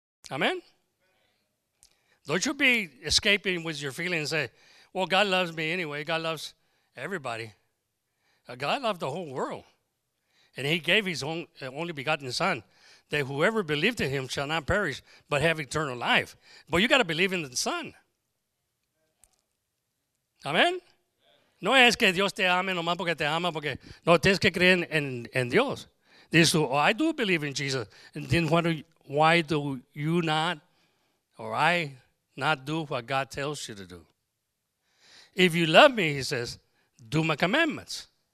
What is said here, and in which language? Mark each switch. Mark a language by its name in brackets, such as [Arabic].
[English] Amen? Don't you be escaping with your feelings and say, well, God loves me anyway. God loves everybody. God loved the whole world. And He gave His only begotten Son, that whoever believed in Him shall not perish, but have eternal life. But you got to believe in the Son. Amen? [Spanish] No es que Dios te ame nomás porque te ama, porque no, tienes que creer en Dios. Dices tú, [English] oh, I do believe in Jesus. And then why do you not, or I not do what God tells you to do? If you love me, He says, do my commandments.